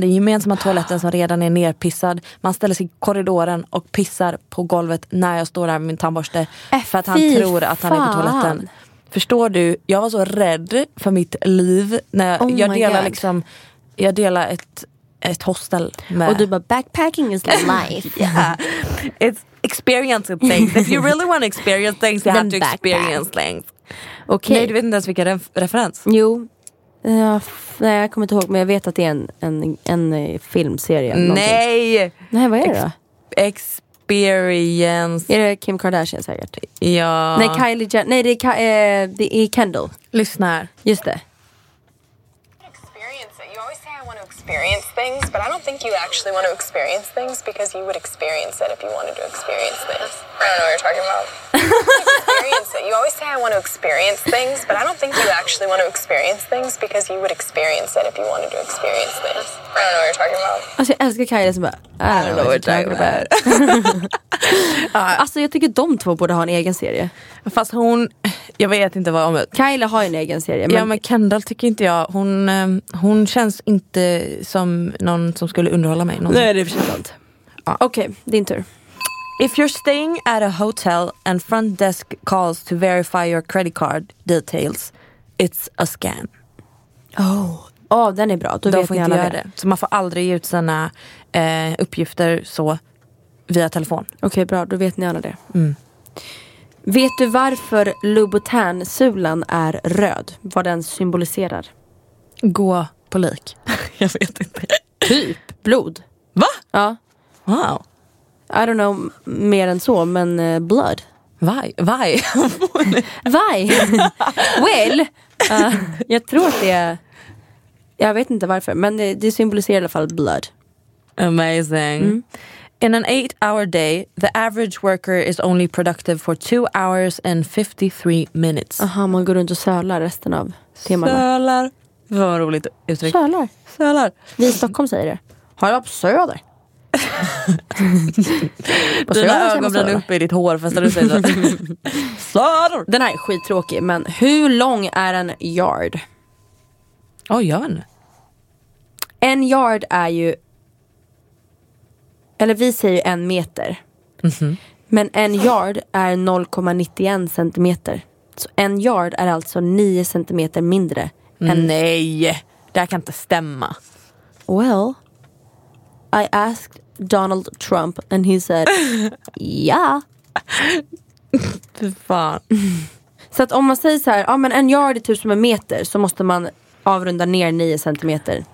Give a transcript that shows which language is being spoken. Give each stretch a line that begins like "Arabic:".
Swedish: Den gemensamma toaletten som redan är nerpissad. Man ställer sig i korridoren och pissar på golvet när jag står där med min tandborste. För att han tror att han är på toaletten. Förstår du, jag var så rädd för mitt liv när jag delar liksom, jag delar ett hostel med. Och du bara,
English: backpacking is life. Yeah. It's experiencing things. If you really want to experience things, you have to experience things. Okay.
Swedish: Nej, du vet inte ens vilka referens. Jo, nej, jag kommer inte ihåg, men jag vet att det är en filmserie. Nej! Någonting. Nej, vad är det då?
English: Experience.
Swedish: Är det Kim Kardashian säkert? Ja. Nej, Kylie Jenner. Nej, det är Kendall. Lyssna här. Just det.
English: Experience it. You always say I want to experience things, but I don't think you actually want to experience things because you would experience it if you wanted to experience things. I don't know what you're talking about. Experience it. You always say I want to experience things, but I don't think you actually want to experience things because you would experience it if you wanted to experience things. I don't know what you're talking about.
Swedish: Alltså, jag älskar Kylie som bara,
English: I don't know what you're talking about.
Swedish: Alltså jag tycker de två borde ha en egen serie. Fast hon, jag vet inte vad om det. Kylie har en egen serie. Men... Ja men Kendall tycker inte jag. Hon känns inte som någon som skulle underhålla mig. Någon. Nej, det är för sig sant. Ja. Okej, okay, din tur.
English: If you're staying at a hotel and front desk calls to verify your credit card details, it's a scam.
Swedish: Oh, den är bra. Då får ni inte göra det. Så man får aldrig ge ut sina uppgifter så via telefon. Okej, okay, bra. Då vet ni alla det. Mm. Vet du varför Louboutin-sulan är röd? Vad den symboliserar? Gå på lik. Jag vet inte. Typ blod. Va? Ja.
English: Wow. I don't know
Swedish: mer än så, men blood.
English: Why? Why? Why? Well,
Swedish: jag tror att det är... Jag vet inte varför, men det symboliserar i alla fall blood.
English: Amazing. Mm. In an 8-hour day, the average worker is only productive for 2 hours and 53 minutes.
Swedish: Aha, man går runt och sölar resten av timmarna. Sölar. Vad roligt uttryck. Sölar. Sölar. Vi i Stockholm säger det. Har jag varit på söder? Dina ögonbryn uppe i ditt hår fast du säger så. Söder. Den här är skittråkig, men hur lång är en yard? Åh, gör den. En yard är ju... Eller vi säger ju en meter. Mm-hmm. Men en yard är 0,91 centimeter. Så en yard är alltså 9 centimeter mindre. Än... Nej, det här kan inte stämma.
English: Well, I asked Donald Trump and he said, ja.
Swedish: Fy fan. Så att om man säger så här, ja, men en yard är typ som en meter, så måste man avrunda ner 9 centimeter.